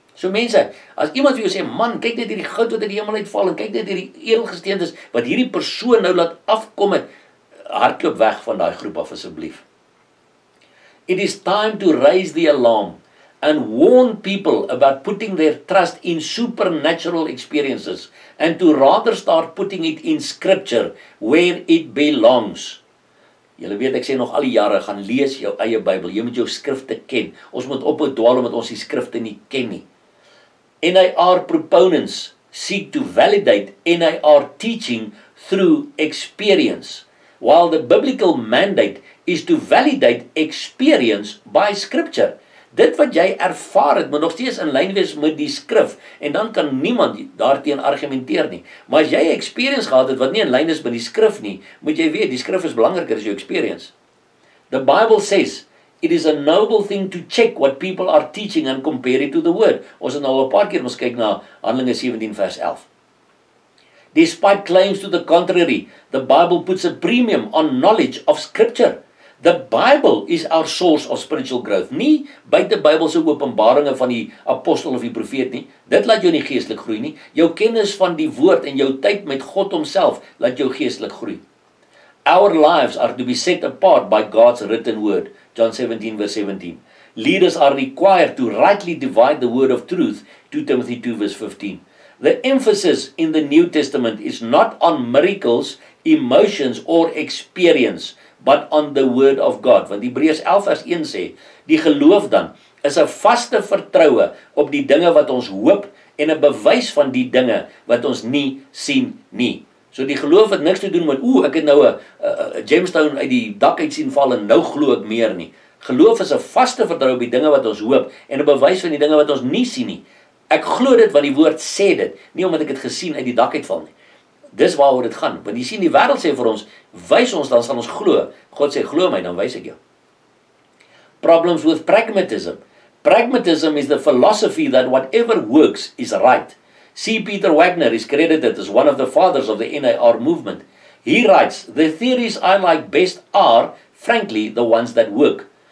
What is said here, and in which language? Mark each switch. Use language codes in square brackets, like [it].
[af] So mense, as iemand vir jou sê, man, kyk net hierdie goud wat uit die hemel uitval en kyk net hierdie edelgesteentes wat hierdie persoon nou laat afkom het, hardloop weg van daai groep af asseblief. [en] It is time to raise the alarm and warn people about putting their trust in supernatural experiences and to rather start putting it in scripture where it belongs. [af] Julle weet, ek sê nog al die jare, gaan lees jou eie Bybel, jy moet jou skrifte ken. Ons moet ophou dwaal omdat ons die skrifte nie ken nie. [en] N.A.R. proponents seek to validate N.A.R. teaching through experience, while the biblical mandate is to validate experience by scripture. [af] Dit wat jy ervaar het, moet nog steeds in lyn wees met die skrif, en dan kan niemand daarteen argumenteer nie. Maar as jy experience gehad het, wat nie in lyn is met die skrif nie, moet jy weet, die skrif is belangriker as jou experience. [en] The Bible says, it is a noble thing to check what people are teaching and compare it to the word. [af] Ons het nou al 'n paar keer ons kyk na Handelinge 17 vers 11. [en] Despite claims to the contrary, the Bible puts a premium on knowledge of scripture. The Bible is our source of spiritual growth. [af] Nie buite Bybelse openbaringe van die apostel of die profeet nie. Dit laat jou nie geestelik groei nie. Jou kennis van die woord en jou tyd met God homself laat jou geestelik groei. [en] Our lives are to be set apart by God's written word. John 17 verse 17. Leaders are required to rightly divide the word of truth. 2 Timothy 2 verse 15. The emphasis in the New Testament is not on miracles, emotions or experience, but on the word of God. [af] Want Hebreërs 11 vers 1 sê, die geloof dan is 'n vaste vertroue op die dinge wat ons hoop en 'n bewys van die dinge wat ons nie sien nie. So die geloof het niks te doen met, oeh, ek het nou 'n gemstone uit die dak uit sien val en nou glo ek meer nie. Geloof is 'n vaste vertroue op die dinge wat ons hoop en 'n bewys van die dinge wat ons nie sien nie. Ek glo dit wat die woord sê dit, nie omdat ek het gesien uit die dak uit val nie. Dis waaroor dit gaan, want jy sien die wêreld sê vir ons, wys ons dan sal ons glo. God sê, glo my, dan wys ek jou. [en] Problems with pragmatism. Pragmatism is the philosophy that whatever works is right. C. Peter Wagner is credited as one of the fathers of the N.A.R. movement. He writes, The theories I like best are, frankly, the ones that work.